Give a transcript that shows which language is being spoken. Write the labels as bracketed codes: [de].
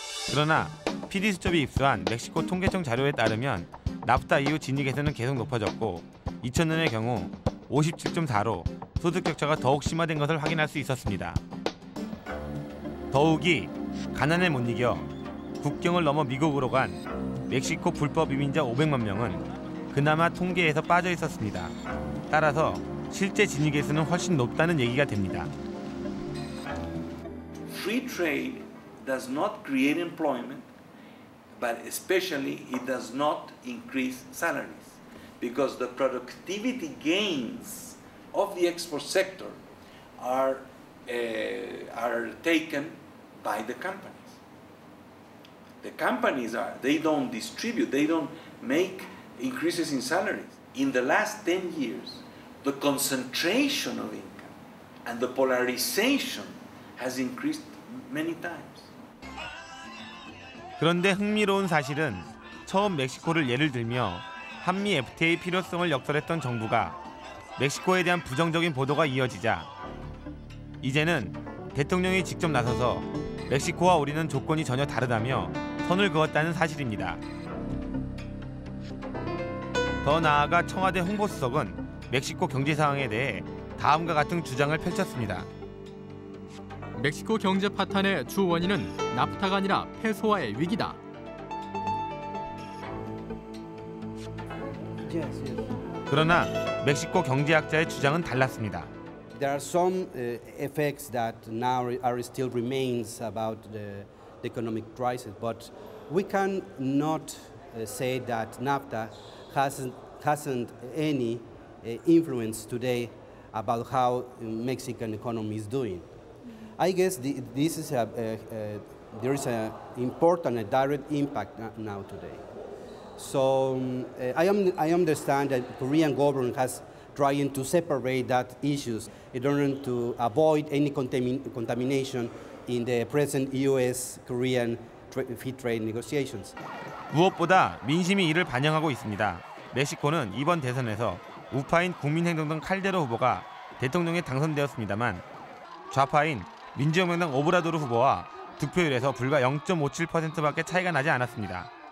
[ko] 그러나 PD수첩이 입수한 멕시코 통계청 자료에 따르면 나프타 이후 진위 계수는 계속 높아졌고 2000년의 경우 57.4로 소득 격차가 더욱 심화된 것을 확인할 수 있었습니다. 더욱이 가난에 못 이겨 국경을 넘어 미국으로 간 멕시코 불법 이민자 500만 명은 그나마 통계에서 빠져 있었습니다. 따라서 실제 진위 계수는 훨씬 높다는 얘기가 됩니다. [en] Free trade does not create employment, but especially it does not increase salaries because the productivity gains of the export sector are taken by the company. The companies are, they don't distribute, they don't make increases in salaries. In the last 10 years, the concentration of income and the polarization has increased many times. [ko] 그런데 흥미로운 사실은 처음 멕시코를 예를 들며 한미 FTA 필요성을 역설했던 정부가 멕시코에 대한 부정적인 보도가 이어지자 이제는 대통령이 직접 나서서 멕시코와 우리는 조건이 전혀 다르다며 선을 그었다는 사실입니다. 더 나아가 청와대 홍보수석은 멕시코 경제 상황에 대해 다음과 같은 주장을 펼쳤습니다. 멕시코 경제 파탄의 주 원인은 나프타가 아니라 페소화의 위기다. [en] Yes, yes. [ko] 그러나 멕시코 경제학자의 주장은 달랐습니다. [en] There are some effects that now are still remains about the economic crisis, but we cannot say that NAFTA hasn't any influence today about how Mexican economy is doing. I guess this is there is an important direct impact now today. So I understand that Korean government has trying to separate that issues in order to avoid any contamination in the present U.S.-Korean free trade negotiations. [ko] 무엇보다 민심이 이를 반영하고 있습니다. 멕시코는 이번 대선에서 우파인 국민행동당 칼데로 후보가 대통령에 당선되었습니다만 좌파인 민주혁명당 오브라도르 후보와 득표율에서 불과 0.57%밖에 차이가 나지 않았습니다.